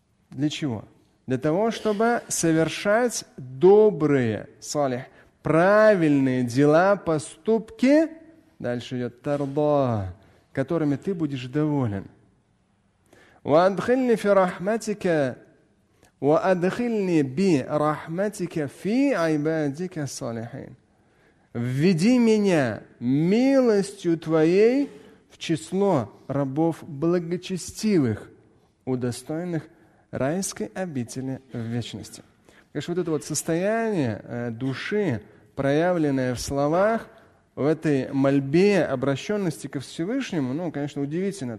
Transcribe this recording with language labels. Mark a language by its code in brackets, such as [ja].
[ru] Для чего? Для того, чтобы совершать добрые салих, правильные дела, поступки, дальше идет тарда, которыми ты будешь доволен. [ar] Вадхильни фи рахматика, وَأَدْخِلْنِ بِرَحْمَتِكَ فِي عَيْبَادِكَ الصَّالِحِينَ. [ru] «Введи меня милостью Твоей в число рабов благочестивых, удостоенных райской обители в вечности». Конечно, вот это вот состояние души, проявленное в словах, в этой мольбе обращенности ко Всевышнему, ну, конечно, удивительно.